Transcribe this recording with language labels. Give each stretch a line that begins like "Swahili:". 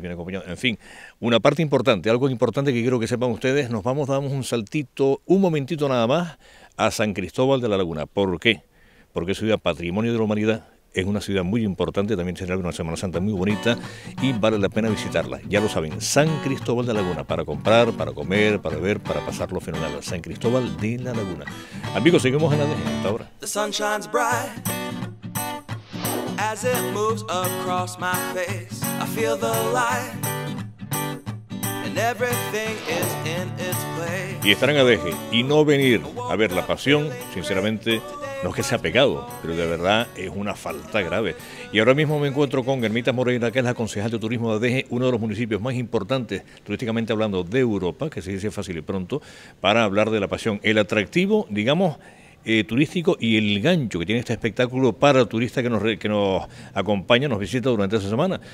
Spanish: En fin, una parte importante, algo importante que quiero que sepan ustedes, damos un saltito, un momentito nada más, a San Cristóbal de la Laguna. ¿Por qué? Porque es ciudad patrimonio de la humanidad. Es una ciudad muy importante, también tiene una Semana Santa muy bonita y vale la pena visitarla. Ya lo saben, San Cristóbal de la Laguna, para comprar, para comer, para beber, para pasarlo fenomenal. San Cristóbal de la Laguna. Amigos, seguimos en la DG hasta ahora.
English: The sun shines bright as it moves across my face. I feel the light and everything is in its place.
Spanish: Y estar en la DG y no venir a ver la pasión, sinceramente, no es que sea pecado, pero de verdad es una falta grave. Y ahora mismo me encuentro con Ermita Moreira, que es la concejal de turismo de Adeje, uno de los municipios más importantes, turísticamente hablando, de Europa, que se dice fácil y pronto, para hablar de la pasión, el atractivo, digamos, turístico y el gancho que tiene este espectáculo para turistas que nos acompaña, nos visita durante esa semana.